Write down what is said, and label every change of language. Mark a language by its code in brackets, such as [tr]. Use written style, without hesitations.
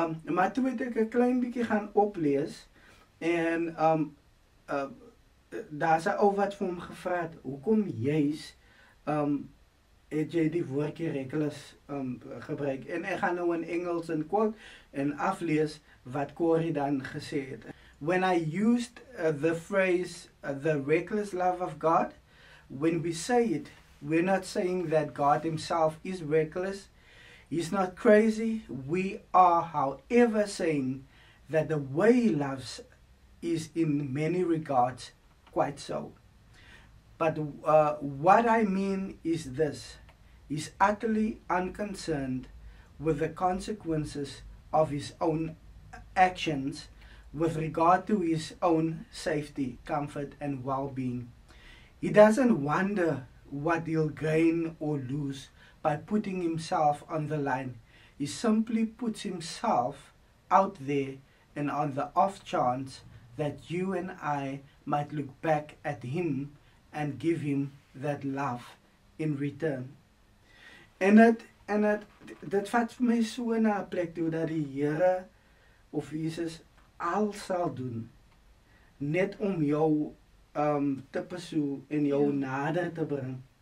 [af] Maar toe het ek 'n klein bietjie gaan oplees en daar is 'n ou wat vir hom gevra het, hoekom juist het jy die woordjie reckless gebruik? En ek gaan nou in Engels en quote en aflees wat Corrie dan gesê het. [en] When I used the phrase the reckless love of God, when we say it, we're not saying that God himself is reckless. He's not crazy. We are, however, saying that the way he loves is in many regards quite so. But what I mean is this. He's utterly unconcerned with the consequences of his own actions with regard to his own safety, comfort and well-being. He doesn't wonder what he'll gain or lose by putting himself on the line. He simply puts himself out there and on the off chance that you and I might look back at him and give him that love in return. [af] En dit vat vir my so na 'n plek toe dat die Here of Jesus al sal doen net om jou te pasoe en jou nader te bring.